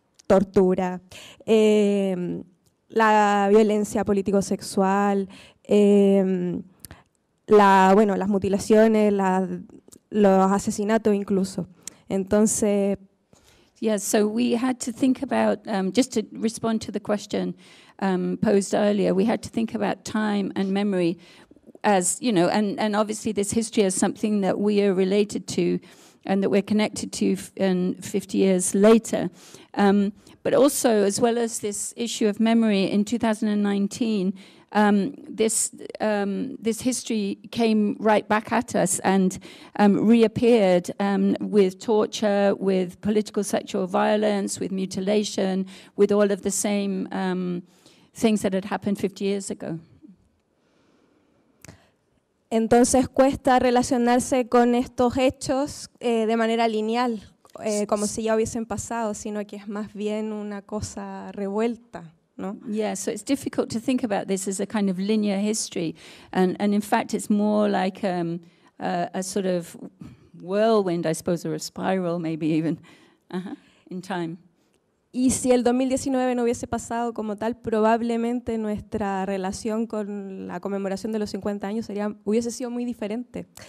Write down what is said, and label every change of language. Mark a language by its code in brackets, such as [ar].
[es] tortura, la violencia político-sexual, las mutilaciones, los asesinatos incluso. Entonces, [en] yeah, so we had to think about, just to respond to the question posed earlier, we had to think about time and memory as, you know, and obviously this history is something that we are related to and that we're connected to and 50 years later. But also, as well as this issue of memory, in 2019, this history came right back at us and reappeared with torture, with political sexual violence, with mutilation, with all of the same things that had happened 50 years ago. [es] Entonces cuesta relacionarse con estos hechos de manera lineal, como si ya hubiesen pasado, sino que es más bien una cosa revuelta, ¿no? [en] Yeah, so it's difficult to think about this as a kind of linear history, and in fact it's more like a sort of whirlwind, I suppose, or a spiral maybe even, in time. [es] Y si el 2019 no hubiese pasado como tal, probablemente nuestra relación con la conmemoración de los 50 años hubiese sido muy diferente.